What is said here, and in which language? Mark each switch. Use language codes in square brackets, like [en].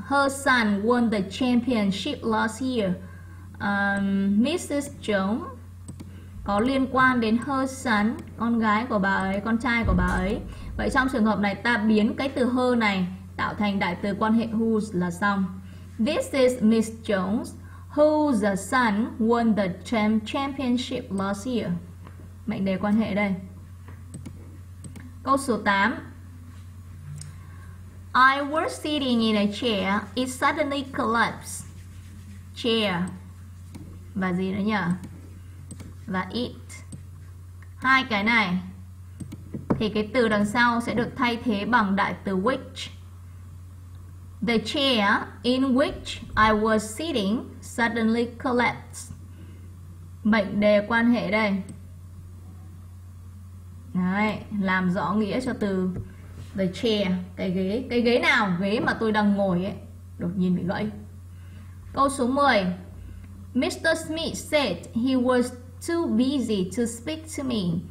[en] Her son won the championship last year. Mrs. [vi] Jones có liên quan đến [en] her son, [vi] con gái của bà ấy, con trai của bà ấy. Vậy trong trường hợp này ta biến cái từ her này tạo thành đại từ quan hệ whose là xong. [en] This is Miss Jones, whose son won the championship last year. [vi] Mệnh đề quan hệ đây. Câu số 8. [en] I was sitting in a chair, it suddenly collapsed. Chair. [vi] Và gì nữa nhỉ? [en] Và it. [vi] Hai cái này thì cái từ đằng sau sẽ được thay thế bằng đại từ which. [en] The chair in which I was sitting suddenly collapsed. [vi] Mệnh đề quan hệ đây. Đấy, làm rõ nghĩa cho từ the chair, cái ghế. Cái ghế nào? Ghế mà tôi đang ngồi ấy. Đột nhiên bị gãy. Câu số 10. Mr. [en] Smith said he was too busy to speak to me.